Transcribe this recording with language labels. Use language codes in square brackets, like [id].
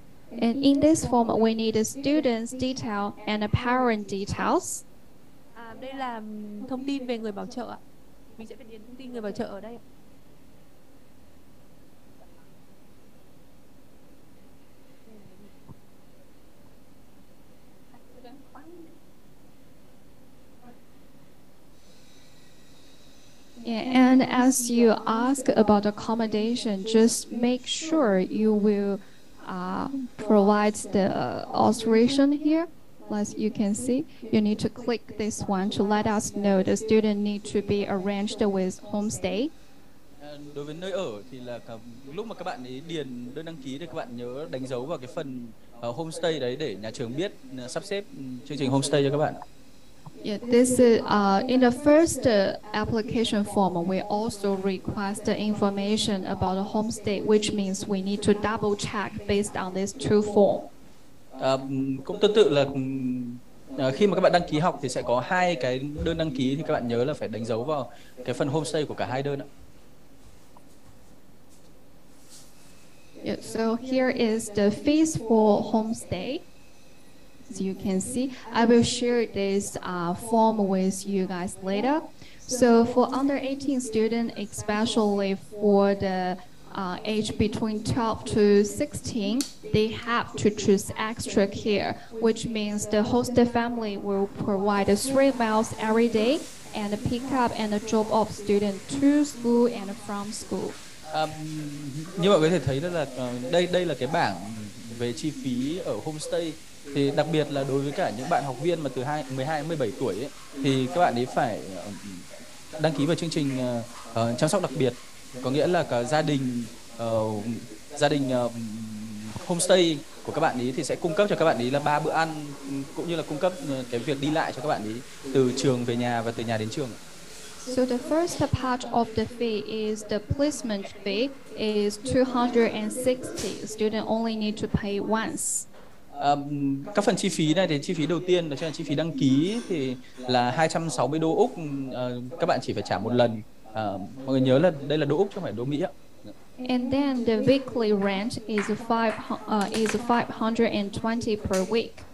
[en] And in this form, we need a student's detail and a parent details. [vi] Đây là thông tin về người bảo trợ ạ. Mình sẽ phải điền thông tin người bảo trợ ở đây. [en] Yeah, and as you ask about accommodation, just make sure you will provides the alteration here. As you can see, you need to click this one to let us know the student need to be arranged with homestay. [vi] Đối với nơi ở thì là lúc mà các bạn ấy điền đơn đăng ký thì các bạn nhớ đánh dấu vào cái phần homestay đấy để nhà trường biết sắp xếp chương trình homestay cho các bạn. [en] Yeah, this is in the first application form, we also request the information about the homestay, which means we need to double check based on these two forms. [vi] Cũng tương tự là khi mà các bạn đăng ký học thì sẽ có hai cái đơn đăng ký, thì các bạn nhớ là phải đánh dấu vào cái phần homestay của cả hai đơn ạ. [en] Yeah, so here is the fees for homestay. As you can see, I will share this form with you guys later. So for under 18 students, especially for the age between 12 to 16, they have to choose extra care, which means the host family will provide 3 meals every day and pick up and drop off students to school and from school. [vi] Như mọi người có thể thấy là đây là cái bảng về chi phí ở homestay. Thì đặc biệt là đối với cả những bạn học viên mà từ 12 đến 17 tuổi ấy, thì các bạn ấy phải đăng ký vào chương trình chăm sóc đặc biệt. Có nghĩa là cả gia đình homestay của các bạn ý thì sẽ cung cấp cho các bạn ý là 3 bữa ăn cũng như là cung cấp cái việc đi lại cho các bạn ý từ trường về nhà và từ nhà đến trường. [en] So the first part of the fee is the placement fee is 260. Student only need to pay once. [vi] Các phần chi phí này thì chi phí đầu tiên là chi phí đăng ký thì là 260 đô Úc, các bạn chỉ phải trả một lần. Mọi người nhớ là đây là đô Úc chứ không phải đô Mỹ ạ. [en] And then the weekly rent is 520 per week.